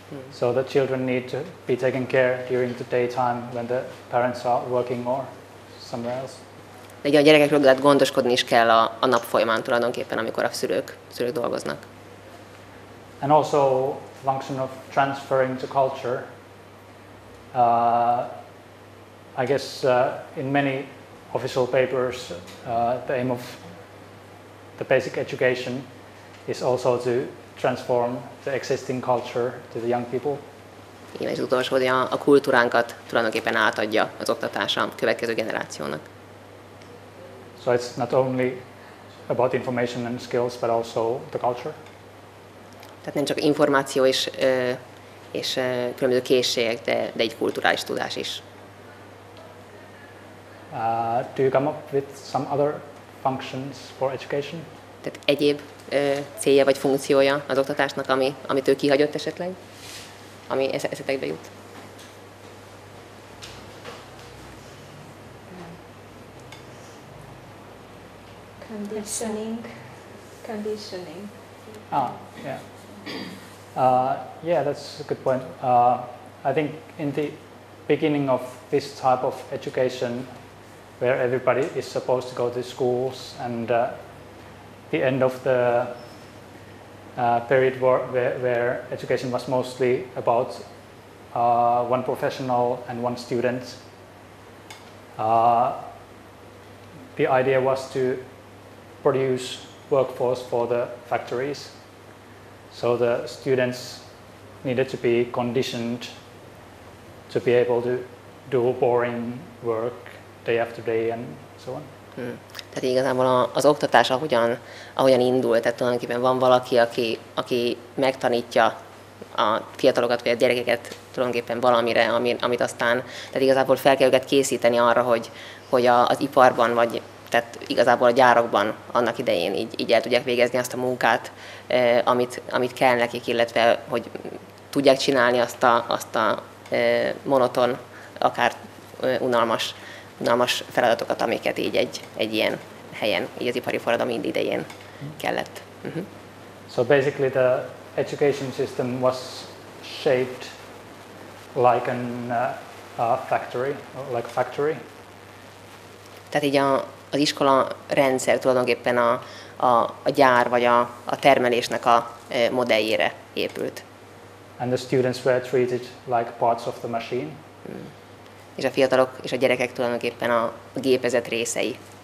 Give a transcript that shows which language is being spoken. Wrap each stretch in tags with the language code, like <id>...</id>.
<en>So the children need to be taken care during the daytime when the parents are working or somewhere else.</en> <hu>De a gyerekekről lehet gondoskodni is kell a nap folyamán tulajdonképpen, amikor a szülők dolgoznak.</hu> <en>And also function of transferring to culture. I guess in many official papers the aim of the basic education is also to transform the existing culture to the young people.</en> <hu>Igen, és az utolsó, hogy a kultúránkat tulajdonképpen átadja az oktatás a következő generációnak.</hu> <en>So it's not only about information and skills, but also the culture.</en> <hu>Tehát nem csak információ és különböző készségek, de egy kulturális tudás is.</hu> <en>Do you come up with some other functions for education?</en> <hu>Tehát egyéb célja vagy funkciója az oktatásnak, amit ő kihagyott esetleg, ami eszetekbe jut?</hu> <en>Conditioning. Yeah, that's a good point. I think in the beginning of this type of education, where everybody is supposed to go to schools, and the end of the period where education was mostly about one professional and one student, the idea was to produce workforce for the factories. So the students needed to be conditioned to be able to do boring work day after day and so on.</en> <hu>Tehát igazából az oktatás ahogyan indult, tehát tulajdonképpen van valaki, aki megtanítja a fiatalokat vagy a gyerekeket tulajdonképpen valamire, amit aztán, tehát igazából fel kell őket készíteni arra, hogy az iparban vagy tehát igazából a gyárokban annak idején így el tudják végezni azt a munkát, amit kell nekik, illetve hogy tudják csinálni azt a monoton, akár unalmas feladatokat, amiket így egy ilyen helyen, így az ipari forradalom idején kellett.</hu> <en>So basically the education system was shaped like an factory, like a factory.</en> <hu>Tehát így az iskola rendszer tulajdonképpen a gyár vagy a termelésnek a modelljére épült.</hu> <en>And the students were treated like parts of the machine.</en> <hu>És a fiatalok és a gyerekek tulajdonképpen a gépezet részei.</hu>